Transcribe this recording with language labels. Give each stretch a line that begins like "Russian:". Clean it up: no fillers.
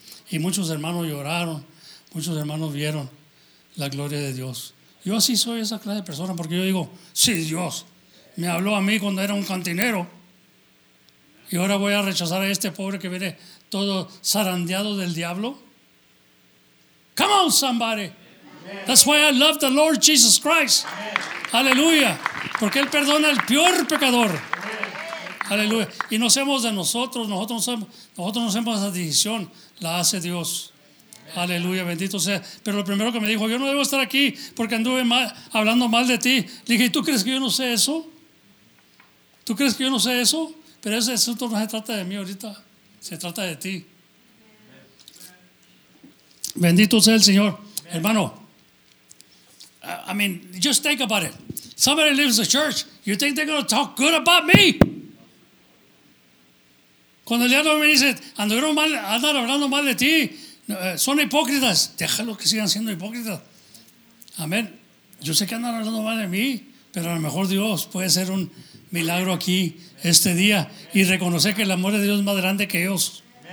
Spanish: Y muchos hermanos lloraron. Muchos hermanos vieron la gloria de Dios. Yo sí soy esa clase de persona porque yo digo, sí, Dios me habló a mí cuando era un cantinero. Y ahora voy a rechazar a este pobre que viene todo zarandeado del diablo.
English: Come on, somebody. That's why I love the Lord Jesus Christ.
Spanish: Aleluya. Porque Él perdona al peor pecador. Aleluya. Y no somos de nosotros. Nosotros no hacemos esa decisión. La hace Dios. Aleluya. Bendito sea. Pero lo primero que me dijo, yo no debo estar aquí porque anduve mal, hablando mal de ti. Le dije, ¿y tú crees que yo no sé eso? ¿Tú crees que yo no sé eso? Pero ese asunto no se trata de mí ahorita, se trata de ti. Bendito sea el Señor. Amen. Hermano, I mean, just think about it.
English: Somebody leaves the church, you think they're going to talk good about me?
Spanish: Cuando el diablo me dice, andan hablando mal de ti, son hipócritas, déjalo que sigan siendo hipócritas. Amén. Yo sé que andan hablando mal de mí, pero a lo mejor Dios puede ser un milagro aquí este día y reconocer que el amor de Dios es más grande que ellos.